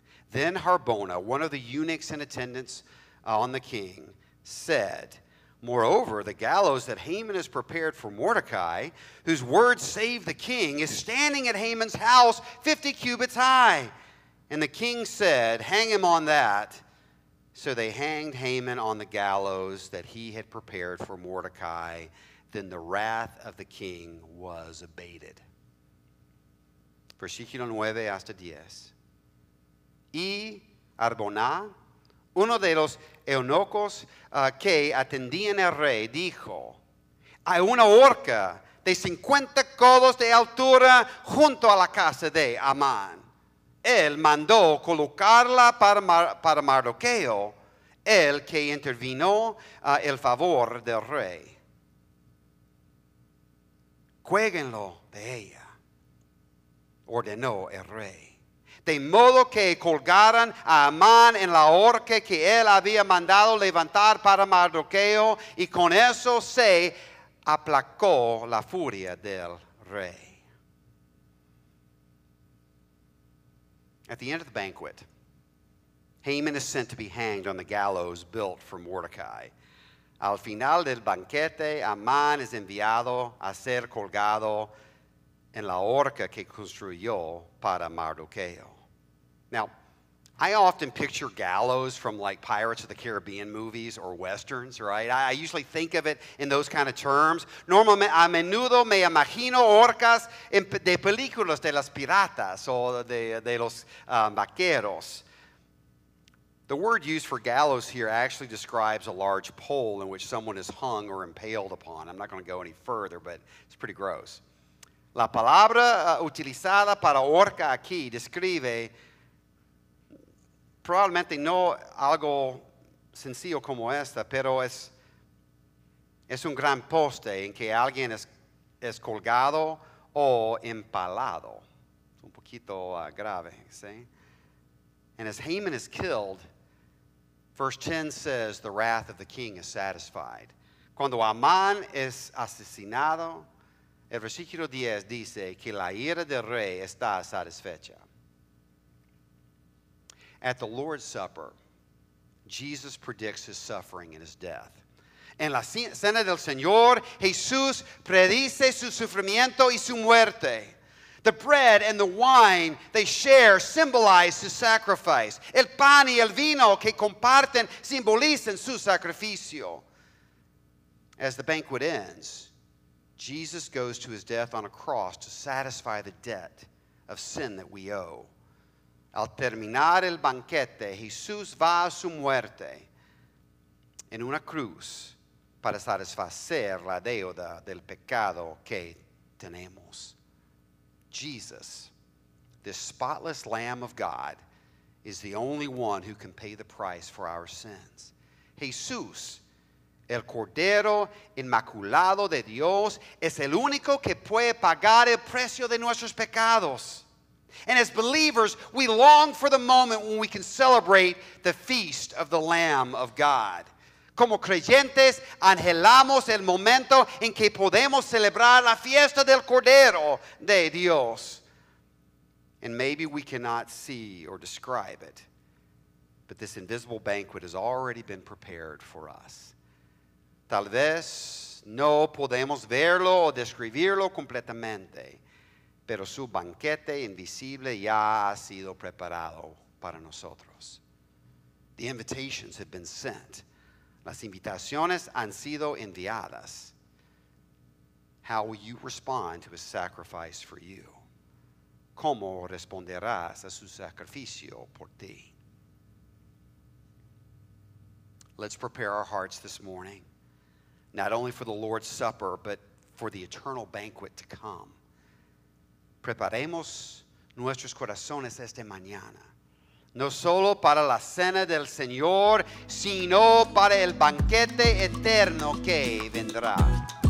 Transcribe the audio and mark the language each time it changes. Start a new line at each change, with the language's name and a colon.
English: Then Harbona, one of the eunuchs in attendance on the king, said, "Moreover, the gallows that Haman has prepared for Mordecai, whose word saved the king, is standing at Haman's house 50 cubits high." And the king said, "Hang him on that." So they hanged Haman on the gallows that he had prepared for Mordecai. Then the wrath of the king was abated.
Spanish: Versículo 9 hasta 10. Y Harbona, uno de los eunucos que atendían al rey, dijo, "Hay una horca de 50 codos de altura junto a la casa de Amán. Él mandó colocarla para Mardoqueo, el que intervino el favor del rey. Cuéguenlo de ella, ordenó el rey. De modo que colgaran a Amán en la horca que él había mandado levantar para Mardoqueo, y con eso se aplacó la furia del rey."
English: At the end of the banquet, Haman is sent to be hanged on the gallows built for Mordecai.
Spanish: Al final del banquete, Amán es enviado a ser colgado en la horca que construyó para Mardoqueo.
English: Now, I often picture gallows from like Pirates of the Caribbean movies or westerns, right? I usually think of it in those kind of terms.
Spanish: Normally, a menudo me imagino orcas de películas de las piratas o de los vaqueros.
English: The word used for gallows here actually describes a large pole in which someone is hung or impaled upon. I'm not going to go any further, but it's pretty gross.
Spanish: La palabra utilizada para orca aquí describe probablemente no algo sencillo como esta, pero es un gran poste en que alguien es colgado o empalado. Un poquito grave, ¿sí?
English: And as Haman is killed, verse 10 says, "The wrath of the king is satisfied."
Spanish: Cuando Amán es asesinado, el versículo 10 dice que la ira del rey está satisfecha.
English: At the Lord's Supper, Jesus predicts his suffering and his death.
Spanish: En la Cena del Señor, Jesús predice su sufrimiento y su muerte.
English: The bread and the wine they share symbolize his sacrifice.
Spanish: El pan y el vino que comparten simbolizan su sacrificio.
English: As the banquet ends, Jesus goes to his death on a cross to satisfy the debt of sin that we owe.
Spanish: Al terminar el banquete, Jesús va a su muerte en una cruz para satisfacer la deuda del pecado que tenemos.
English: Jesus, this spotless Lamb of God, is the only one who can pay the price for our sins.
Spanish: Jesús, el Cordero Inmaculado de Dios, es el único que puede pagar el precio de nuestros pecados.
English: And as believers, we long for the moment when we can celebrate the feast of the Lamb of God.
Spanish: Como creyentes, anhelamos el momento en que podemos celebrar la fiesta del Cordero de Dios.
English: And maybe we cannot see or describe it, but this invisible banquet has already been prepared for us.
Spanish: Tal vez no podemos verlo o describirlo completamente, pero su banquete invisible ya ha sido preparado para nosotros.
English: The invitations have been sent.
Spanish: Las invitaciones han sido enviadas.
English: How will you respond to his sacrifice for you?
Spanish: ¿Cómo responderás a su sacrificio por ti?
English: Let's prepare our hearts this morning, not only for the Lord's Supper, but for the eternal banquet to come.
Spanish: Preparemos nuestros corazones esta mañana, no solo para la cena del Señor, sino para el banquete eterno que vendrá.